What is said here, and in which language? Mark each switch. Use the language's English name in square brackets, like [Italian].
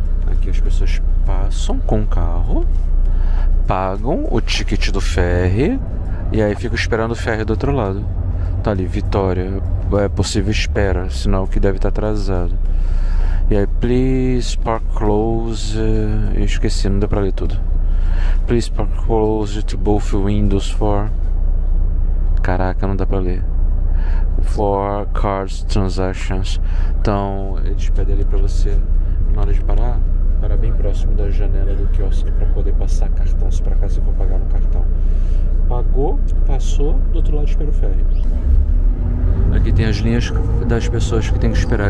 [Portuguese] Aqui as pessoas passam com o carro, pagam o ticket do ferry e aí ficam esperando o ferry do outro lado. Tá ali, Vitória, é possível espera, sinal que deve estar atrasado. E aí, [English] please park close, [Portuguese] eu esqueci, não deu para ler tudo. [English] Please park close to both windows for... [Portuguese] Caraca, não dá pra ler. [English] For cards transactions. [Portuguese] Então, eles pedem ali pra você, na hora de parar, parar bem próximo da janela do quiosque pra poder passar cartão, se pra cá você for pagar no cartão. Pagou, passou, do outro lado espera o ferry. Aqui tem as linhas das pessoas que tem que esperar.